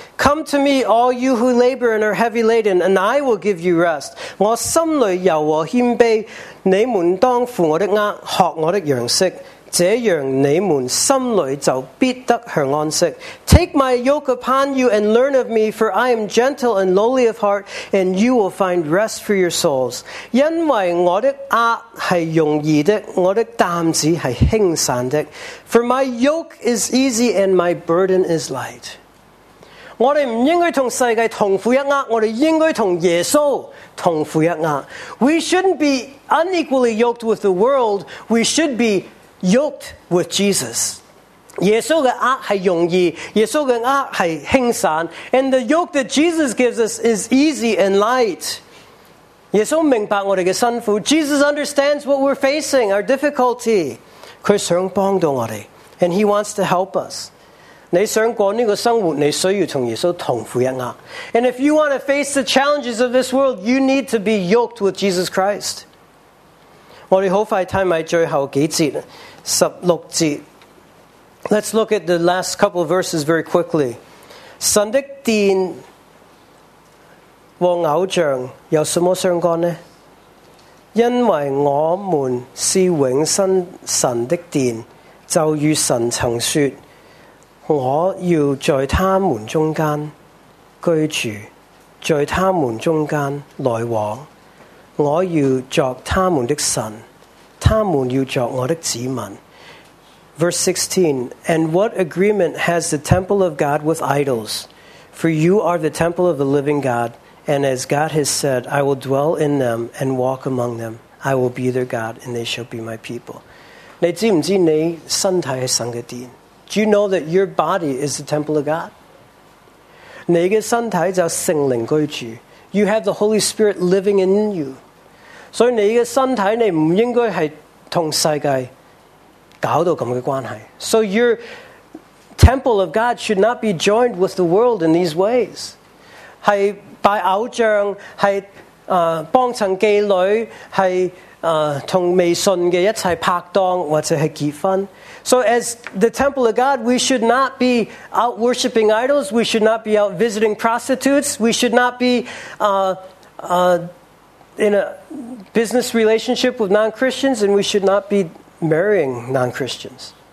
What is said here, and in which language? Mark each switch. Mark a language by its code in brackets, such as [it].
[en] Come to me, all you who labor and are heavy laden, and I will give you rest. [zh] 我心里柔和谦卑，你们当负我的轭，学我的样式。这样你们心里就必得享安息。 [en] Take my yoke upon you and learn of me, for I am gentle and lowly of heart, and you will find rest for your souls. [zh] 因为我的轭是容易的，我的担子是轻散的。 [en] For my yoke is easy and my burden is light. [zh] 我们不应该同世界同负一轭，我们应该同耶稣同负一轭。 [en] We shouldn't be unequally yoked with the world, we should be yoked with Jesus. [zh] 耶稣的轭是容易，耶稣的轭是轻散。 [en] And the yoke that Jesus gives us is easy and light. [zh] 耶稣明白我们的辛苦。 [en] Jesus understands what we're facing, our difficulty. [zh] 佢想帮到我哋 ， [en] and he wants to help us。 [zh] 你想过呢个生活，你需要同耶稣同苦一轭。 [en] And if you want to face the challenges of this world, you need to be yoked with Jesus Christ。 [zh] 我哋好快睇埋最后几节，十六节。 [en] Let's look at the last couple of verses very quickly。 [zh] 神的殿和偶像有什么相干呢？因为我们是永生神的殿，就与神曾说，我要在他们中间居住，在他们中间来往，我要作他们的神，他们要作我的子民。 [en] Verse 16, And what agreement has the temple of God with idols? For you are the temple of the living God, and as God has said, I will dwell in them and walk among them. I will be their God, and they shall be my people. [zh] 你知不知你身体是神的殿？ [en] Do you know that your body is the temple of God? [zh] 你的身体就是圣灵居住。 [en] You have the Holy Spirit living in you. [zh] 所以你的身体你不应该是跟世界搞到这样的关系。 [en] So your temple of God should not be joined with the world in these ways. [zh] 是拜偶像，是帮衬妓女，是跟未信的一起拍档，或者是结婚。 [en] So as the temple of God, we should not be out worshiping idols. We should not be out visiting prostitutes. We should not be in a business relationship with non-Christians. And we should not be marrying non-Christians.